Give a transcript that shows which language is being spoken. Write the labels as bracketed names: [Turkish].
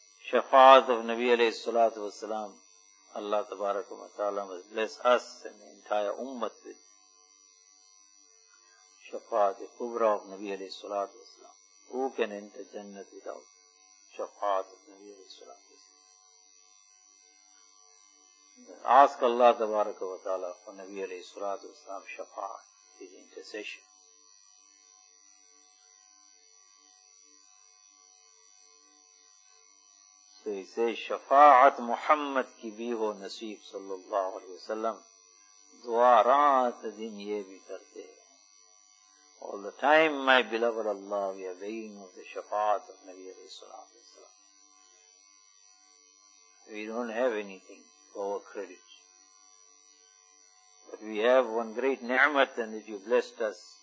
[English] شفاعت of نبی علیہ الصلوۃ والسلام, اللہ تبارک و تعالیٰ must bless us and the entire ummah with شفاعت کبری of نبی علیہ الصلوۃ والسلام. Who can enter Jannat without شفاعت of نبی علیہ الصلوۃ والسلام. Ask Allah تبارک و تعالیٰ for نبی علیہ الصلوۃ والسلام شفاعت, his intercession. So he says, [Urdu] شفاعت محمد کی بھی ہو نصیب صلی اللہ علیہ وسلم, دعا رات دن یہ بھی کرتے ہیں. [English] All the time, my beloved Allah, we are begging of the shafaat of Nabi alayhi salatu wa salam. We don't have anything for our credit. But we have one great ni'mat, and that you blessed us